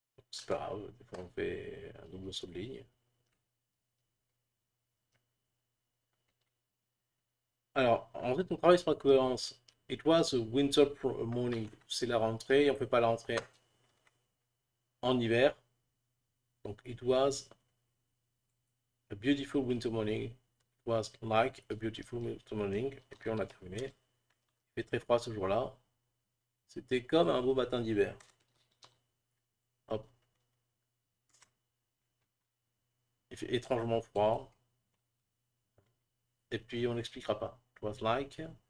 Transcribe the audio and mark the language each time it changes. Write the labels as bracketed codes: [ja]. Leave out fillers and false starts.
[fr] C'est pas grave, des fois on fait un double saut de ligne. Alors, en fait, on travaille sur la cohérence. [en] It was a winter morning. [fr] C'est la rentrée, on fait pas la rentrée en hiver. [en] Donc, it was a beautiful winter morning. It was like a beautiful winter morning. [fr] Et puis, on a terminé. Il fait très froid ce jour-là. C'était comme un beau matin d'hiver. Il fait étrangement froid. Et puis, on n'expliquera pas. [en] It was like.